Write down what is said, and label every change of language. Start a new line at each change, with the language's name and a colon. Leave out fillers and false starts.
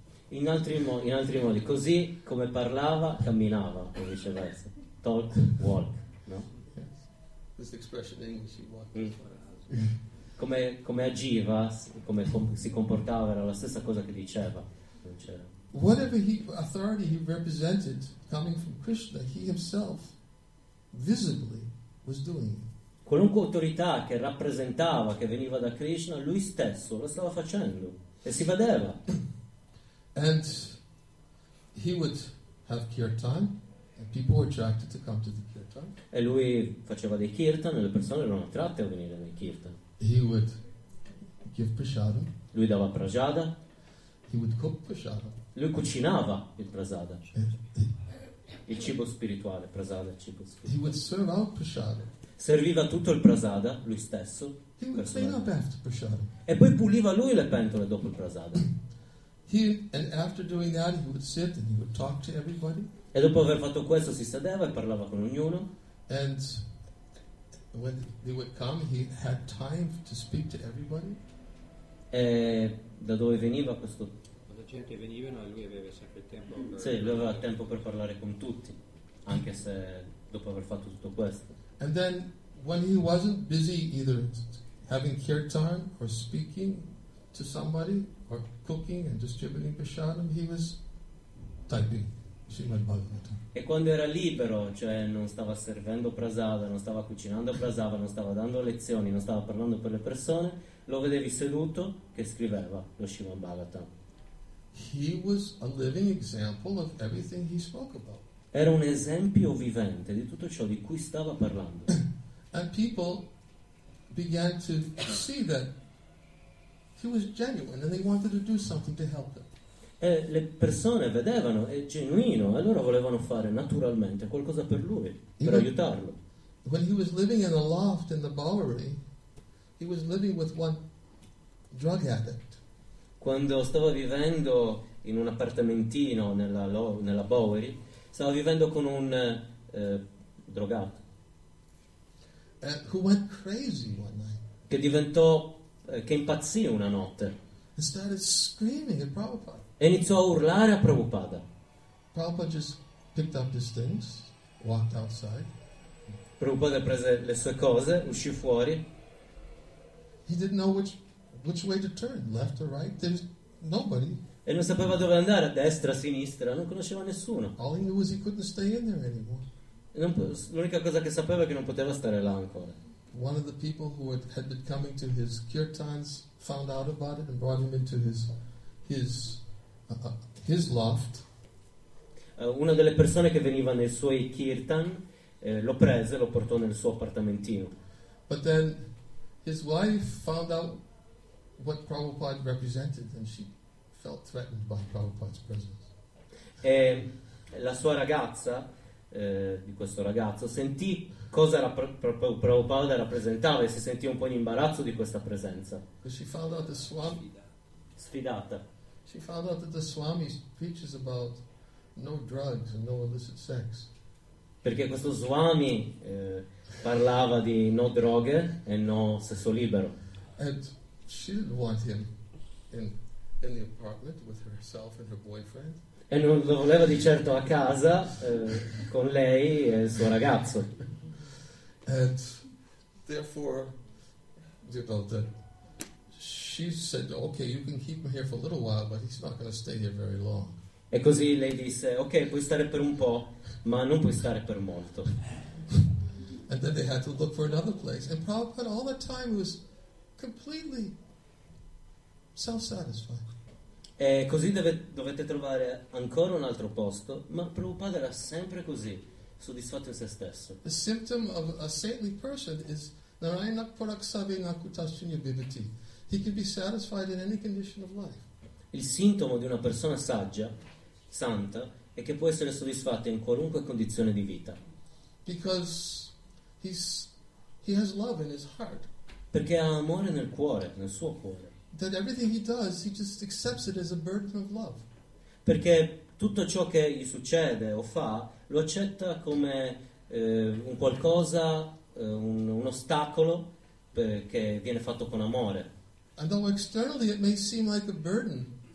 Italian: In altri modi, così come parlava, camminava, o viceversa.
English: Talk, walk, no? Yes. This expression in English, he walked his talk.
Italian: Come agiva, come si comportava, era la stessa cosa che diceva. Non c'era.
English: Whatever authority he represented coming from Krishna, he himself visibly was doing it.
Italian: Qualunque autorità che rappresentava che veniva da Krishna, lui stesso lo stava facendo e si vedeva.
English: And he would have kirtan and people were attracted to come to the kirtan.
Italian: E lui faceva dei kirtan e le persone erano attratte a venire nei kirtan.
English: He would give prasadam.
Italian: Lui dava prasada.
English: He would cook prasadam.
Italian: Lui cucinava il prasada. il cibo spirituale, prasada, il cibo spirituale.
English: He would serve out prasada.
Italian: Serviva tutto il prasada lui stesso.
English: He would clean up after prasada.
Italian: E poi puliva lui le pentole dopo il prasada. E dopo aver fatto questo si sedeva e parlava con ognuno.
English: And when they would come, he had time to speak to everybody.
Italian: E da dove veniva questo? Quando gente venivano, lui aveva sempre tempo. Sì, lui aveva tempo per parlare con tutti, anche se dopo aver fatto tutto questo.
English: And then when he wasn't busy either having kirtan or speaking to somebody or cooking and distributing prasadam, he was typing.
Italian: E quando era libero, cioè non stava servendo prasada, non stava cucinando prasada, non stava dando lezioni, non stava parlando per le persone, lo vedevi seduto che scriveva lo Srimad Bhagavatam.
English: He was a living example of everything he spoke about.
Italian: Era un esempio vivente di tutto ciò di cui stava parlando.
English: And people began to see that he was genuine and they wanted to do something to help him.
Italian: E le persone vedevano, è genuino, e loro volevano fare naturalmente qualcosa per lui, per aiutarlo.
English: When he was living in a loft in the Bowery, he was living with one drug addict.
Italian: Quando stava vivendo in un appartamentino nella Bowery, stava vivendo con un drogato.
English: Who went crazy one night.
Italian: Che diventò, che impazzì una notte.
English: He started screaming at Prabhupada.
Italian: E iniziò a urlare a Prabhupada.
English: Prabhupada just picked up his things, walked outside.
Italian: Prabhupada prese le sue cose, uscì fuori.
English: He didn't know which way to turn, left or right. There's nobody.
Italian: E non sapeva dove andare, a destra, a sinistra, non conosceva nessuno.
English: All he knew was he couldn't stay in there anymore.
Italian: L'unica cosa che sapeva è che non poteva stare là ancora.
English: One of the people who had been coming to his kirtans found out about it and brought him into his loft.
Italian: Una delle persone che veniva nei suoi kirtan lo prese, lo portò nel suo appartamentino.
English: But then his wife found out what Prabhupada represented and she felt threatened by Prabhupada's presence.
Italian: E la sua ragazza, di questo ragazzo, sentì cosa Prabhupada rappresentava e si sentì un po' in imbarazzo di questa presenza.
English: She found out the swami.
Italian: Sfidata.
English: She found out that the Swami preaches about no drugs and no illicit sex.
Italian: Perché questo Swami parlava di no droghe e no sesso libero.
English: And she didn't want him in the apartment with herself and her boyfriend.
Italian: E non lo voleva di certo a casa con lei e il suo ragazzo.
English: And therefore, you know that. She said, "Okay, you can keep him here for a little while, but he's not going to stay here very long."
Italian: E così lei disse, "Ok, puoi stare per un po', ma non puoi stare per molto."
English: And then they had to look for another place. And Prabhupada, all the time, was completely self-satisfied.
Italian: E così dovete trovare ancora un altro posto, ma Prabhupada era sempre così, soddisfatto in se stesso.
English: The symptom of a saintly person is Narayana Paraksavi Nakutashunya Bibhati. He can be satisfied in any condition of life.
Italian: Il sintomo di una persona saggia, santa, è che può essere soddisfatta in qualunque condizione di vita.
English: Because he has love in his heart.
Italian: Perché ha amore nel cuore, nel suo cuore.
English: That everything he does, he just accepts it as a burden of love.
Italian: Perché tutto ciò che gli succede o fa, lo accetta come un qualcosa, un ostacolo che viene fatto con amore.
English: And though externally it may seem like a burden,